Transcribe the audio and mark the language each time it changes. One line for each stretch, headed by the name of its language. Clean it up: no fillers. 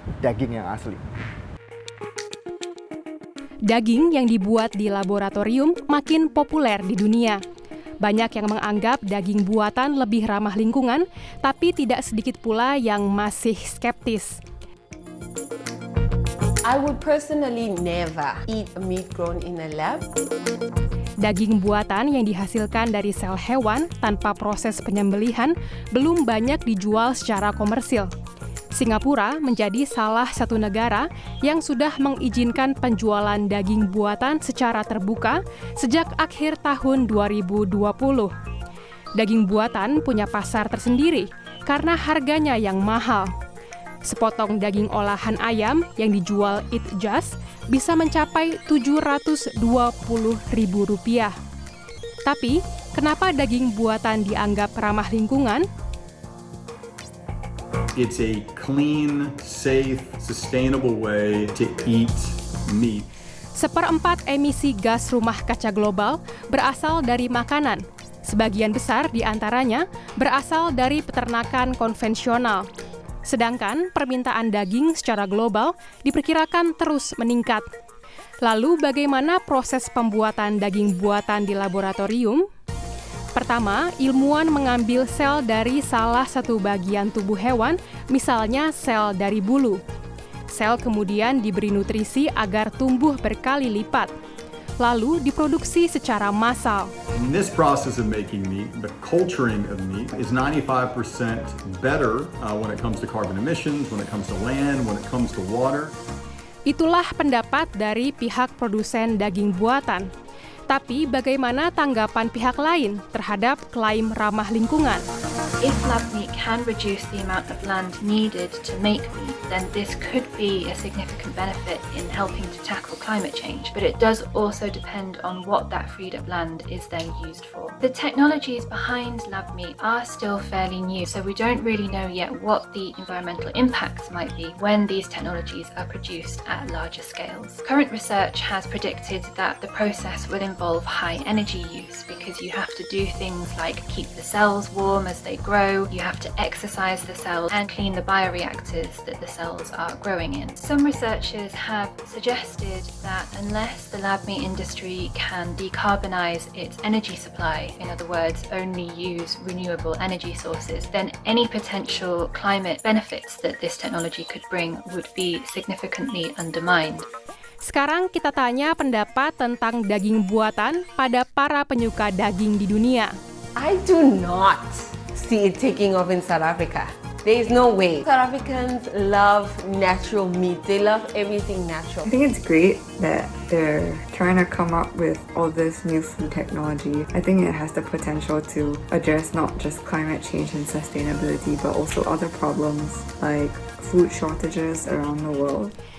Indonesian: daging yang asli. Daging yang dibuat di laboratorium makin populer di dunia. Banyak yang menganggap daging buatan lebih ramah lingkungan, tapi tidak sedikit pula yang masih skeptis.
English: I would personally never eat meat grown in a lab.
Indonesian: Daging buatan yang dihasilkan dari sel hewan tanpa proses penyembelihan belum banyak dijual secara komersil. Singapura menjadi salah satu negara yang sudah mengizinkan penjualan daging buatan secara terbuka sejak akhir tahun 2020. Daging buatan punya pasar tersendiri karena harganya yang mahal. Sepotong daging olahan ayam yang dijual Eat Just bisa mencapai Rp720.000. Tapi, kenapa daging buatan dianggap ramah lingkungan?
English: It's a clean, safe, sustainable way to eat meat.
Indonesian: Seperempat emisi gas rumah kaca global berasal dari makanan. Sebagian besar di antaranya berasal dari peternakan konvensional. Sedangkan permintaan daging secara global diperkirakan terus meningkat. Lalu bagaimana proses pembuatan daging buatan di laboratorium? Pertama, ilmuwan mengambil sel dari salah satu bagian tubuh hewan, misalnya sel dari bulu. Sel kemudian diberi nutrisi agar tumbuh berkali lipat. Lalu diproduksi secara massal.
English: In this process of making meat, the culturing of meat is 95% better when it comes to carbon emissions, when it comes to land, when it comes to water.
Indonesian: Itulah pendapat dari pihak produsen daging buatan. Tapi bagaimana tanggapan pihak lain terhadap klaim ramah lingkungan?
English: If lab meat can reduce the amount of land needed to make meat, then this could be a significant benefit in helping to tackle climate change. But it does also depend on what that freed up land is then used for. The technologies behind lab meat are still fairly new, so we don't really know yet what the environmental impacts might be when these technologies are produced at larger scales. Current research has predicted that the process will involve high energy use because you have to do things like keep the cells warm as they grow, you have to exercise the cells and clean the bioreactors that the cells are growing in. Some researchers have suggested that unless the lab meat industry can decarbonize its energy supply, in other words, only use renewable energy sources, then any potential climate benefits that this technology could bring would be significantly undermined.
Indonesian: Sekarang kita tanya pendapat tentang daging buatan pada para penyuka daging di dunia.
English: I do not see it taking off in South Africa. There is no way. South Africans love natural meat. They love everything natural. I think it's great that they're trying to come up with all this new food technology. I think it has the potential to address not just climate change and sustainability, but also other problems like food shortages around the world.